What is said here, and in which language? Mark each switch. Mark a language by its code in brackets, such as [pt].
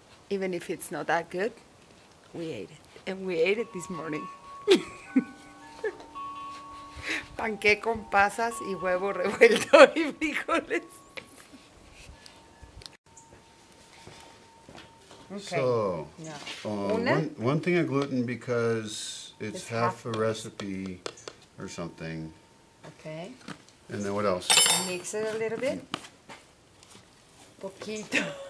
[en] Even if it's not that good, we ate it. And we ate it this morning. [es] Panqué con pasas y huevo revuelto y frijoles. [en] Okay. So, one thing of gluten because it's half a recipe or something. Okay. And then what else? I mix it a little bit. Poquito.